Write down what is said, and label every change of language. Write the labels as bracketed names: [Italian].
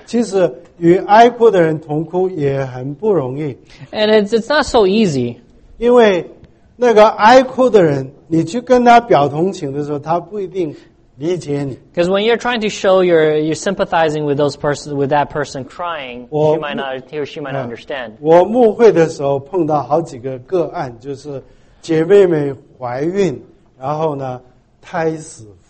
[Chinese] 其实与哀哭的人同哭也很不容易。 [English] And it's not so easy. [Chinese] 因为那个哀哭的人，你去跟他表同情的时候，他不一定理解你。 [English] Because when you're trying to show you're sympathizing with those person with that person crying, he or she might not understand. [Chinese] 我牧会的时候碰到好几个个案，就是姐妹们怀孕，然后呢胎死。